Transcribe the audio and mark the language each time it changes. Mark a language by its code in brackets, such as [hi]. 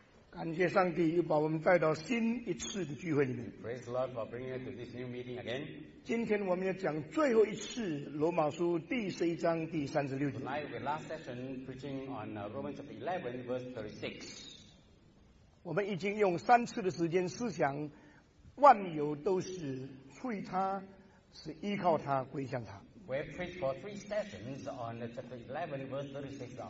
[zh] 感谢上帝又把我们带到新一次的聚会里面。 [en] Praise the Lord for bringing us to this new meeting again. [zh] 今天我们要讲最后一次罗马书第十一章第三十六节。 [en] Tonight we last session preaching on Romans chapter 11 verse 36. [zh] 我们已经用三次的时间思想，万有都是出于他，是依靠他，归向他。 [en] We preached for three sessions on chapter 11 verse 36.